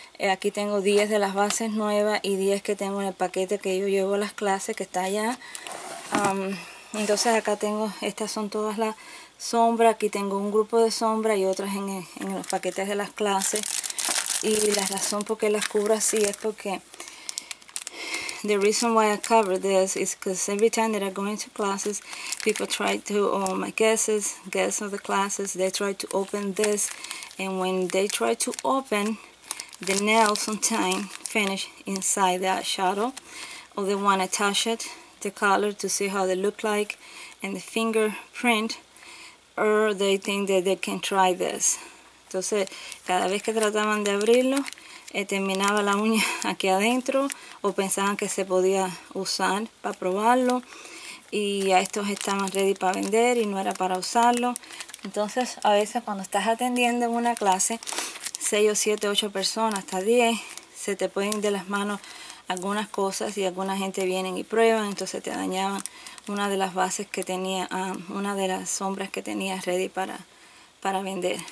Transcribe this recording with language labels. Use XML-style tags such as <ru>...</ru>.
<es>Aquí tengo 10 de las bases nuevas y 10 que tengo en el paquete que yo llevo a las clases, que está allá. Entonces acá tengo, estas son todas las sombras. Aquí tengo un grupo de sombras y otras en los paquetes de las clases. Y la razón por qué las cubro así es porque...</es> <en>The reason why I cover this is because every time that I go into classes, people try to, or my guests of the classes, they try to open this. And when they try to open... The nail sometimes finish inside that shadow, or they want to touch it, the color, to see how they look like, and the fingerprint, or they think that they can try this.</en> <es>Entonces, cada vez que trataban de abrirlo, terminaba la uña aquí adentro, o pensaban que se podía usar para probarlo, y a estos estaban ready para vender y no era para usarlo. Entonces, a veces cuando estás atendiendo en una clase, 6 o 7, 8 personas, hasta 10, se te pueden de las manos algunas cosas y alguna gente vienen y prueban, entonces te dañaban una de las bases que tenía, una de las sombras que tenía ready para vender.</es>